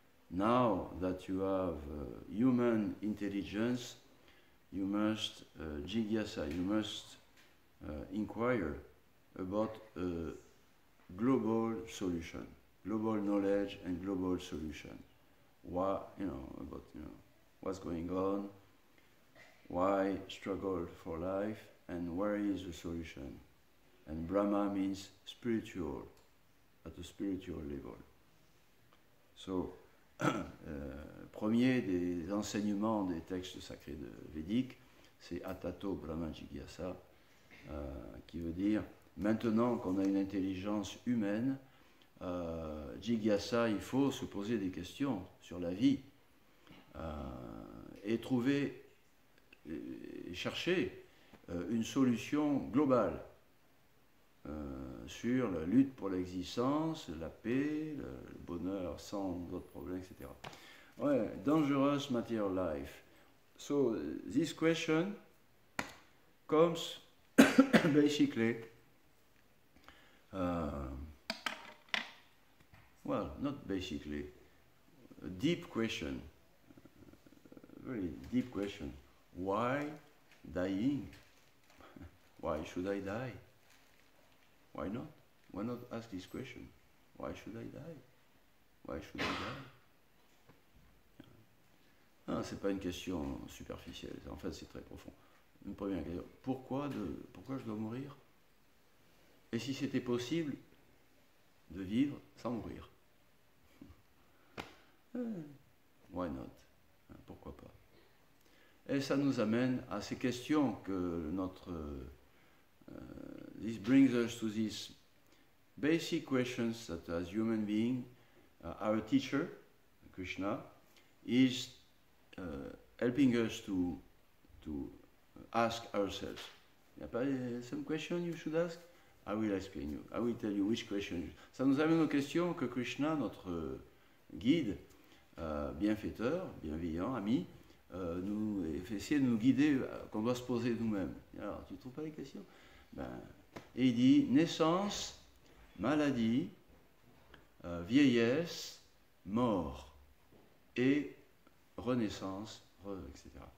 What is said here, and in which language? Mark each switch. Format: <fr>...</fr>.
<en>Now that you have human intelligence, you must, jigyasa, you must inquire about a global solution, global knowledge and global solution. Why, you know, about, you know, what's going on, why struggle for life, and where is the solution? And Brahma means spiritual, at a spiritual level.</en> <fr>So, premier des enseignements des textes sacrés de Védique, c'est Atato Brahma Jigyasa, qui veut dire, maintenant qu'on a une intelligence humaine, Jigyasa, il faut se poser des questions sur la vie, et trouver, et chercher une solution globale sur la lutte pour l'existence, la paix, le bonheur sans d'autres problèmes, etc.</fr> <en>Ouais, dangerous material life. So, this question comes basically, well, not basically, a deep question, a very deep question. Why dying? Why should I die? Why not? Why not ask this question? Why should I die? Why should I die?</en> <fr>Non, c'est pas une question superficielle. En fait, c'est très profond. Une première question. Pourquoi je dois mourir? Et si c'était possible de vivre sans mourir?</fr> <en>Why not?</en> <fr>Pourquoi pas? Et ça nous amène à ces questions que notre...</fr> <en>this brings us to these basic questions that as human being, our teacher, Krishna, is helping us to ask ourselves.</en> <fr>Il n'y a pas</fr> <en>some question you should ask? I will explain you. I will tell you which question.</en> <fr>Ça nous amène aux questions que Krishna, notre guide, bienfaiteur, bienveillant, ami, nous essayer de nous guider, qu'on doit se poser nous-mêmes. Alors, tu ne trouves pas les questions? Ben, et il dit, naissance, maladie, vieillesse, mort, et renaissance, etc.</fr>